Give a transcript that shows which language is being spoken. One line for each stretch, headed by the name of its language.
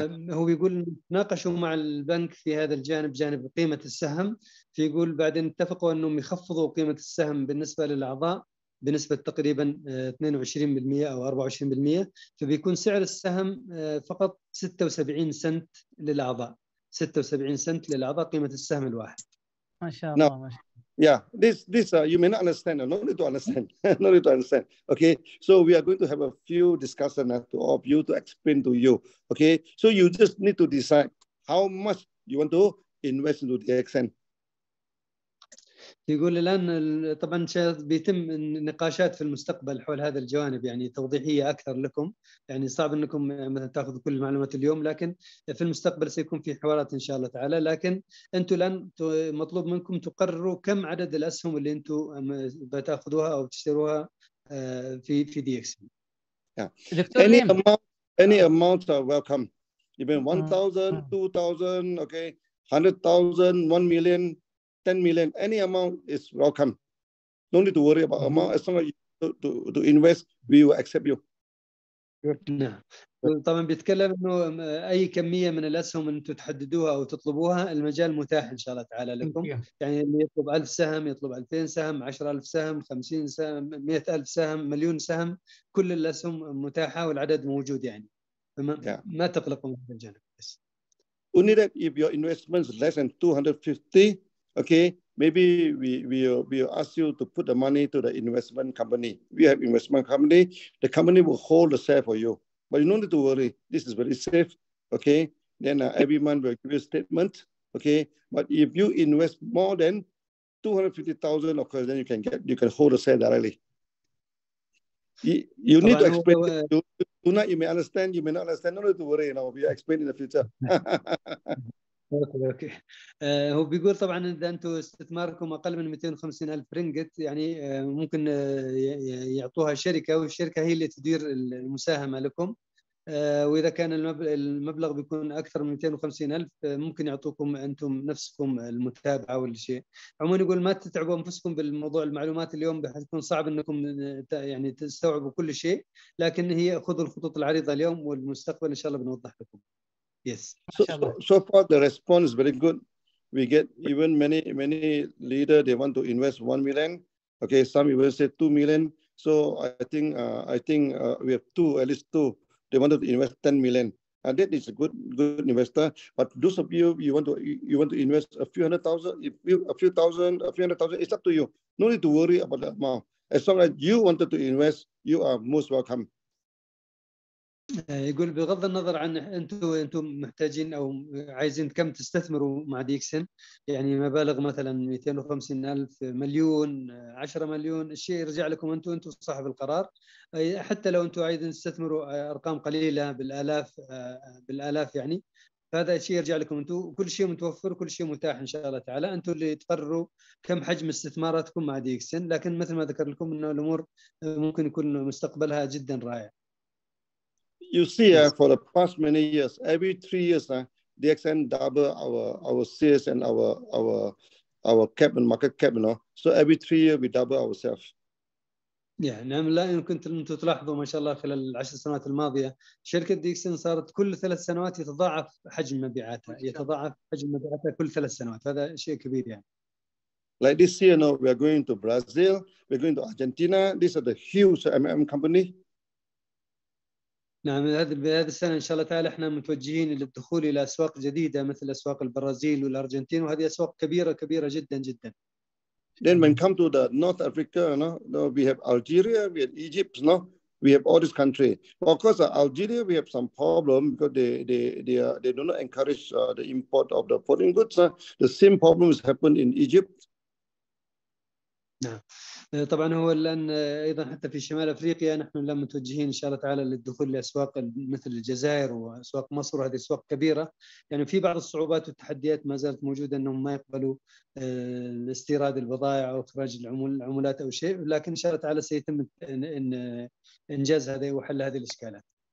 Arabic: هو يقول ناقشوا مع البنك في هذا الجانب، جانب قيمة السهم، فيقول بعدين اتفقوا أنهم يخفضوا قيمة السهم بالنسبة للأعضاء بنسبة تقريبا 22% أو 24%، فبيكون سعر السهم فقط 76 سنت للأعضاء، 76 سنت للأعضاء قيمة السهم الواحد. ما شاء الله.
English: No. Yeah, this you may not understand. No need to understand. No need to understand. Okay, so we are going to have a few discussion to all of you to explain to you. Okay, so you just need to decide how much you want to invest into the DXN.
Arabic: يقول الآن طبعاً بيتم نقاشات في المستقبل حول هذا الجوانب، يعني توضيحية أكثر لكم، يعني صعب أنكم مثلاً تأخذوا كل المعلومات اليوم، لكن في المستقبل سيكون في حوارات إن شاء الله تعالى. لكن أنتوا الآن مطلوب منكم تقرروا كم عدد الأسهم اللي أنتوا بتأخذوها أو تشتروها في DXN.
English: Yeah. Any amount are welcome. Even 1,000, 2,000, okay, 100,000, 1 million, 10 million, any amount is welcome. No need to worry about amount. As long as you to invest, we will accept you.
Arabic: نعم طبعا بيتكلم انه اي كميه من الاسهم انتم تحددوها او تطلبوها المجال متاح ان شاء الله تعالى لكم يعني اللي يطلب 1000 سهم يطلب 2000 سهم 10000 سهم 50 سهم 100000 سهم مليون سهم كل الاسهم متاحه والعدد موجود يعني ما تقلقوا من هذا الجانب بس
English: only that if your investment is less than 250 okay maybe we ask you to put the money to the investment company. We have investment company. The company will hold the share for you. But you don't need to worry. This is very safe, okay? Then every month we'll give you a statement, okay? But if you invest more than 250,000, of course, then you can hold the share directly. You need to explain. Tonight you may understand, you may not understand. No need to worry, you know, we'll explain in the future. Okay.
Arabic: هو بيقول طبعا اذا انتم استثماركم اقل من 250 الف رينجت يعني ممكن يعطوها شركه والشركه هي اللي تدير المساهمه لكم واذا كان المبلغ بيكون اكثر من 250 الف ممكن يعطوكم انتم نفسكم المتابعه والشيء عموما يقول ما تتعبوا انفسكم بالموضوع المعلومات اليوم بحيث يكون صعب انكم يعني تستوعبوا كل شيء لكن هي خذوا الخطوط العريضه اليوم والمستقبل ان شاء الله بنوضح لكم
English: Yes. So far, the response is very good. We get even many leader they want to invest 1 million. Okay, some even say 2 million. So I think we have at least two. They wanted to invest 10 million, and that is a good investor. But those of you want to invest a few hundred thousand, it's up to you. No need to worry about the amount. As long as you wanted to invest, you are most welcome.
Arabic: يقول بغض النظر عن انتم محتاجين او عايزين كم تستثمروا مع ديكسن يعني مبالغ مثلا 250 الف مليون 10 مليون الشيء يرجع لكم انتم صاحب القرار حتى لو انتم عايزين تستثمروا ارقام قليله بالالاف يعني فهذا الشيء يرجع لكم انتم كل شيء متوفر كل شيء متاح ان شاء الله تعالى انتم اللي تقرروا كم حجم استثماراتكم مع ديكسن لكن مثل ما ذكر لكم انه الامور ممكن يكون مستقبلها جدا رائع
English: You see, for the past many years, every 3 years, DXN double our sales and our cap and market cap, you know. So every 3 years, we double ourselves. Yeah,
Arabic: نعم لا يمكن أن تلاحظوا ما شاء الله خلال العشر سنوات الماضية شركة DXN صارت كل ثلاث سنوات يتضاعف حجم مبيعاتها يتضاعف حجم مبيعاتها كل ثلاث سنوات هذا شيء كبير يعني.
English: Like this year, you know, we are going to Brazil, we are going to Argentina. These are the huge MMM company.
Arabic: نعم هذه السنة إن شاء الله تعالى إحنا متوجهين للدخول إلى أسواق جديدة مثل أسواق البرازيل والأرجنتين وهذه أسواق كبيرة جدا.
English: Then when come to the North Africa, you know, we have Algeria, we have Egypt, you know, we have all these countries. Well, of course, Algeria we have some problem because they do not encourage the import of the foreign goods. The same problem has happened in Egypt.
Arabic: نعم طبعا هو الان ايضا حتى في شمال افريقيا نحن لم متوجهين ان شاء الله تعالى للدخول لاسواق مثل الجزائر واسواق مصر وهذه اسواق كبيره يعني في بعض الصعوبات والتحديات ما زالت موجوده انهم ما يقبلوا استيراد البضائع او اخراج العملات او شيء لكن ان شاء الله تعالى سيتم انجاز هذه وحل هذه الاشكالات